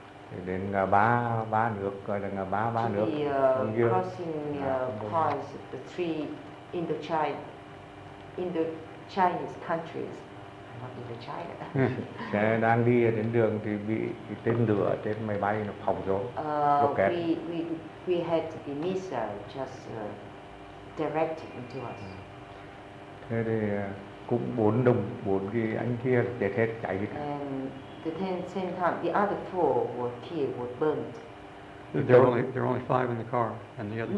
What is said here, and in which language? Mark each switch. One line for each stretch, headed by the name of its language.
Vietnamese: Thì đến ngã ba ba nước gọi là ngã ba ba
English: to
Vietnamese: nước
English: the, crossing parts of the three Indochinese countries, not Indochina.
Vietnamese: Xe đang đi ở trên đường thì bị tên lửa trên máy bay nó phóng xuống rocket.
English: We had the missile just directed into us.
Vietnamese: Thế thì cũng bốn cái anh kia chết hết cháy hết.
English: The same time, the other four were killed, were burned. There were only five in the car, and the other four.